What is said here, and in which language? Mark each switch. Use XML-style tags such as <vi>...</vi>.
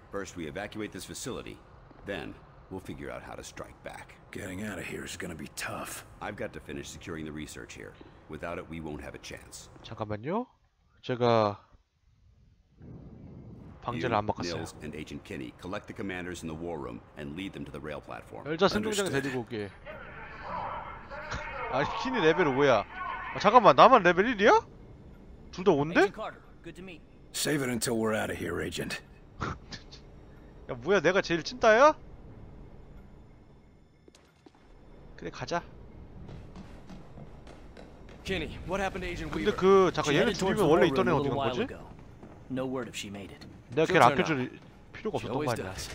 <en>First we evacuate this facility, then we'll figure out how to strike back. Getting out of here is gonna be tough. I've got to finish securing the research here. Without it, we won't have a chance.</en> <ko>잠깐만요. 제가 방제를 안 바꿨어요.</ko> <en>Nils and Agent Kinney, collect the commanders in the war room and lead them to the rail platform.</en> <ko>열자 승종장에 데리고 올게. 아, 키니 레벨 5야. 아, 잠깐만, 나만 레벨 1이야? 둘 다 온데?</ko> <en>Good to meet. Save it until we're out of here, agent.</en> <ko>야, 뭐야, 내가 제일 찐따야? 그래, 가자.</ko> <en>Kenny, what happened to Agent Weaver?</en> <ko>근데 그 잠깐 얘는 죽이면 원래 있던 애 어디 간 거지?</ko> <en>No word if she made it.</en> <ko>내가 걔를 아껴줄 필요가 없었던 거 아니야?</ko>